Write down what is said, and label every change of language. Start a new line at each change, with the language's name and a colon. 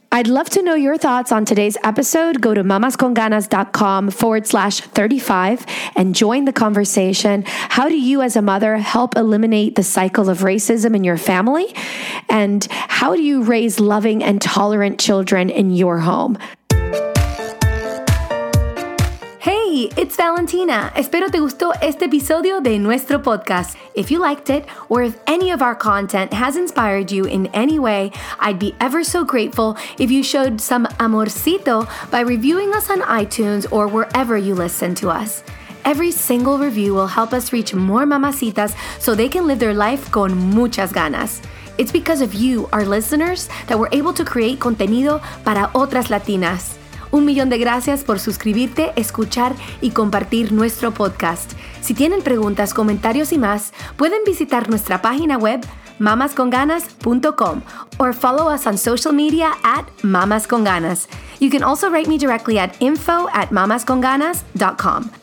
English: I'd love to know your thoughts on today's episode. Go to mamasconganas.com/35 and join the conversation. How do you as a mother help eliminate the cycle of racism in your family? And how do you raise loving and tolerant children in your home? It's Valentina.
Spanish: Espero te gustó este episodio de nuestro podcast.
English: If you liked it, or if any of our content has inspired you in any way, I'd be ever so grateful if you showed some amorcito by reviewing us on iTunes or wherever you listen to us. Every single review will help us reach more mamacitas so they can live their life
Spanish: con muchas ganas.
English: It's because of you, our listeners, that we're able to create
Spanish: contenido para otras Latinas. Un millón de gracias por suscribirte, escuchar y compartir nuestro podcast. Si tienen preguntas, comentarios y más, pueden visitar nuestra página web mamasconganas.com
English: or follow us on social media at
Spanish: mamasconganas.
English: You can also write me directly at info@mamasconganas.com.